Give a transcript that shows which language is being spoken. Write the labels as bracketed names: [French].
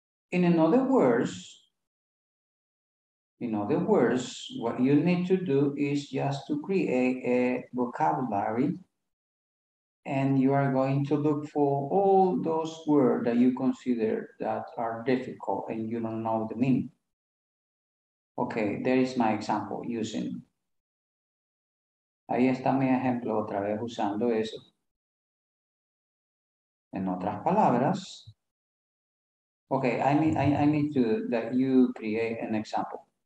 [English] In other words, what you need to do is just to create a vocabulary, and you are going to look for all those words that you consider that are difficult and you don't know the meaning. Okay, there is my example using. [Spanish] Ahí está mi ejemplo otra vez usando eso. En otras palabras, [English] Okay, I need that you create an example.